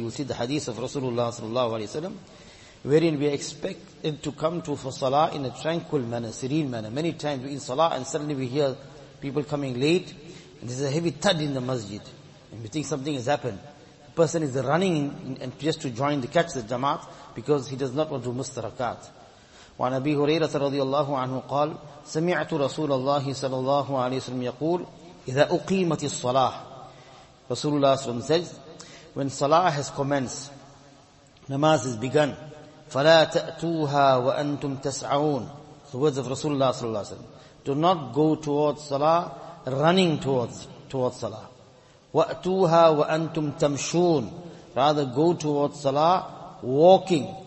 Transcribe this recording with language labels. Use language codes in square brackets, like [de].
[en] You will see the hadith of Rasulullah sallallahu alayhi wa sallam, wherein we expect it to come to for salah in a tranquil manner, serene manner. Many times we in salah and suddenly we hear people coming late, and there's a heavy thud in the masjid, and we think something has happened. The person is running and just to join the catch the jamaat because he does not want to miss the rakat. [ar] وعن أبي هريرة رضي الله عنه قال سمعت رسول الله صلى الله عليه وسلم يقول إذا أقيمت الصلاة. [en] Rasulullah [ar] صلى الله عليه وسلم [en] says, when salah has commenced, namaz has begun, [ar] فلا تأتوها وأنتم تسعون. [en] The words of Rasulullah [ar] صلى الله عليه وسلم. [en] Do not go towards salah, running towards salah. [ar] وأتوها وأنتم تمشون. [en] Rather go towards salah, walking.